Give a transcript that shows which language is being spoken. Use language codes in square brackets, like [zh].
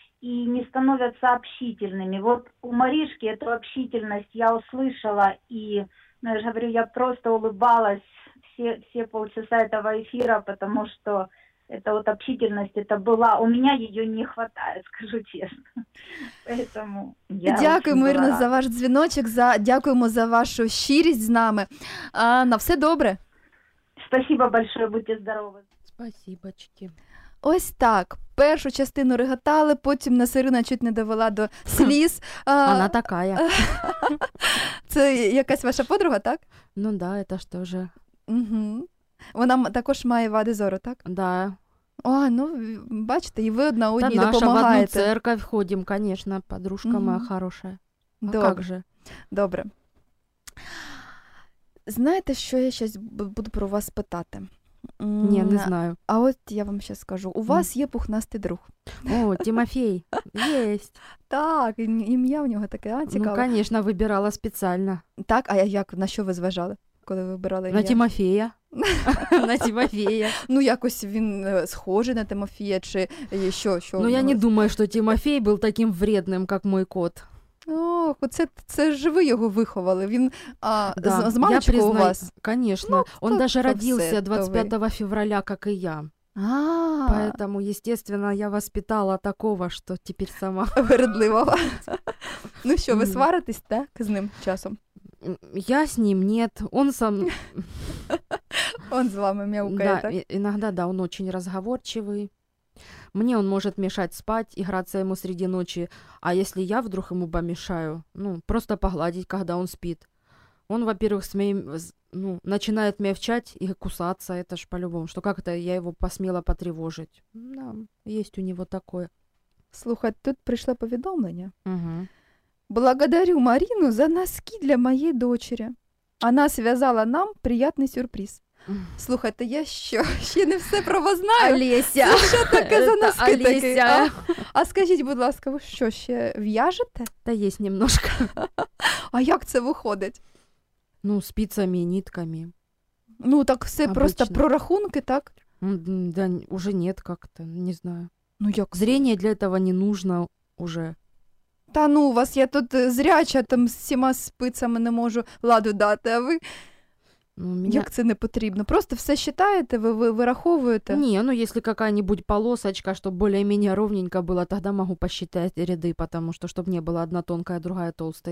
[ru] И не становятся общительными. Вот у Маришки эту общительность я услышала, и, ну, я же говорю, я просто улыбалась все полчаса этого эфира, потому что эта вот общительность, это была, у меня ее не хватает, скажу честно. Поэтому я [uk] дякуємо, Ірино, за ваш дзвіночок, дякуємо за вашу щирість з нами. На все добре. [ru] Спасибо большое, будьте здорові. Спасибочки. [uk] Ось так. Першу частину реготали, потім нас Ірина чуть не довела до сліз. Вона така. Це якась ваша подруга, так? Ну да, це ж теж. Угу. Вона також має вади зору, так? [ru] Да. [uk] А, ну, бачите, і ви одна одній допомагаєте. Та наша, в одну церковь ходимо, звісно, подружка моя хороша. А як же? Добре. Знаєте, що я зараз буду про вас питати? Ні, не знаю. А от я вам зараз скажу. У вас є пухнастий друг. О, Тимофій. Єсть. Так, ім'я у нього таке, а, цікаво. Ну, звісно, вибирала спеціально. Так, а як, на що ви зважали, коли вибирали ім'я? На Тимофія. На Тимофія. Ну, якось він схожий на Тимофія, чи що? Що ну, я не думаю, що Тимофій був таким вредним, як мой кот. Ох, це ж ви його виховали. Він з маличку у вас. [ru] Конечно. Ну, он даже родился 25 февраля, как и я. Поэтому, естественно, я воспитала такого, что теперь сама [uk] вередливого. Ну що, ви сваритесь, так, з ним часом? [ru] Я с ним нет, он сам. Он з вами мяукает. Да, иногда, да, он очень разговорчивый. Мне он может мешать спать, играться ему среди ночи. А если я вдруг ему помешаю, ну, просто погладить, когда он спит. Он, во-первых, начинает мявчать и кусаться, это ж по-любому. Что как-то я его посмела потревожить. Да, есть у него такое. [uk] Слухать, тут пришло повідомлення. Угу. [ru] Благодарю Марину за носки для моей дочери. Она связала нам приятный сюрприз. [uk] Слухайте, я що? Ще не все про вас знаю. Олеся. Що таке за носки такі? А скажіть, будь ласка, ви що, ще в'яжете? Та є немножко. А як це виходить? Ну, спицями, нитками. [ru] Ну, так все обычно. Просто про рахунки, так? Да, уже нет как-то, не знаю. [uk] Ну, як? [ru] Зрение для этого не нужно уже. [uk] Та ну, у вас я тут зряча, там з всіма спицями не можу ладу дати, а ви... [ru] Ну, меня... [uk] Як це не потрібно? Просто все считаєте, ви вираховуєте? Ні, ну, якщо какая-нибудь полосочка, щоб более-менее ровненько було, тоді можу посчитати ряди, тому що, щоб не була одна тонка, а друга толста.